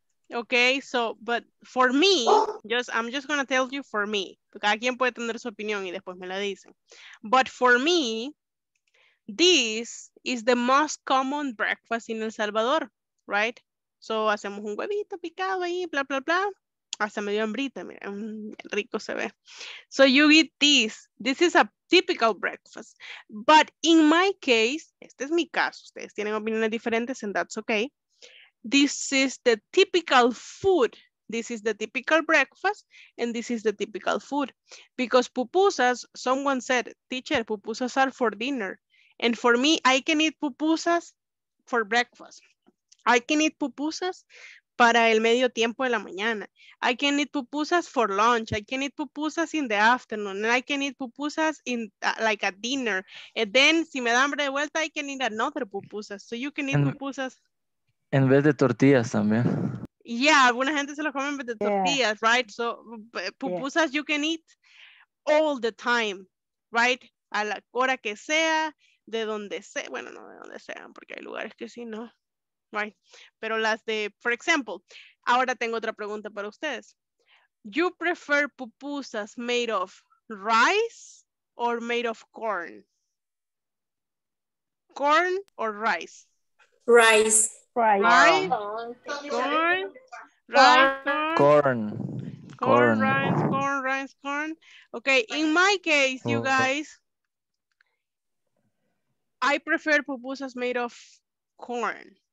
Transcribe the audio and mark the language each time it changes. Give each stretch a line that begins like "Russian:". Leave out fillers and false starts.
English: No, ok, so, but for me, just, I'm just going to tell you for me.
Spanish: Cada quien puede tener su opinión y después me la dicen.
English: But for me, this is the most common breakfast in El Salvador, right?
Spanish: So, hacemos un huevito picado ahí, bla, bla, bla. Hasta me dio hambrita, mira, rico se ve.
English: So you eat this. This is a typical breakfast. But in my case,
Spanish: este es mi caso, ustedes tienen opiniones diferentes
English: and that's okay. This is the typical food. This is the typical breakfast and this is the typical food. Because pupusas, someone said, teacher, pupusas are for dinner. And for me, I can eat pupusas for breakfast. I can eat pupusas
Spanish: para el medio tiempo de la mañana.
English: I can eat pupusas for lunch. I can eat pupusas in the afternoon. And I can eat pupusas in like at dinner. And then,
Spanish: si me da hambre de vuelta,
English: I can eat another pupusas. So you can eat pupusas.
Spanish: En vez de tortillas también. Yeah, alguna gente se lo come en vez de tortillas, yeah.
English: Right? So pupusas yeah. You can eat all the time, right?
Spanish: A la hora que sea, de donde sea. Bueno, no de donde sean, porque hay lugares que sí, no. Right, pero las de,
English: for example,
Spanish: ahora tengo otra pregunta para ustedes.
English: You prefer pupusas made of rice or made of corn? Corn or rice? Rice. Rice. Rice. Corn. Rice. Corn. Corn. Corn. Corn. Corn. Rice. Corn. Okay, in my case, you guys, I prefer pupusas made of corn.